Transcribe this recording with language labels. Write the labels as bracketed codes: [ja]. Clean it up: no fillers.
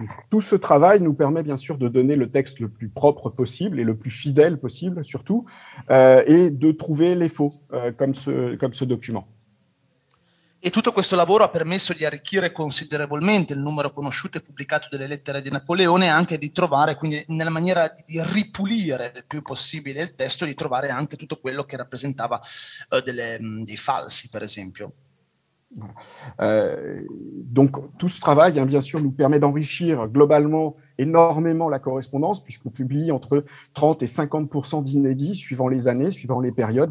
[fr] Tout ce travail nous permet bien sûr de donner le texte le plus propre possible et le plus fidèle possible surtout, et de trouver les faux, comme ce document. [it] E tutto questo lavoro ha permesso di arricchire considerevolmente il numero conosciuto e pubblicato delle lettere di Napoleone e anche di trovare, quindi nella maniera di ripulire il più possibile il testo, di trovare anche tutto quello che rappresentava dei falsi, per esempio. [fr] Donc tout ce travail, hein, bien sûr, nous permet d'enrichir globalement énormément la correspondance, puisqu'on publie entre 30 et 50% d'inédits suivant les années, suivant les périodes.